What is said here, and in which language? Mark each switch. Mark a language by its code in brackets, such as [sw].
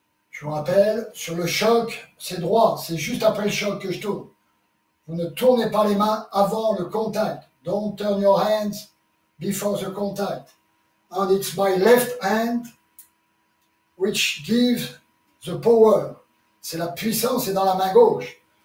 [fr] Je vous rappelle, sur le choc, c'est droit. C'est juste après le choc que je tourne. Vous ne tournez pas les mains avant le contact. [en] Don't turn your hands before the contact. And it's my left hand which gives the power. [fr] C'est la puissance est dans la main gauche.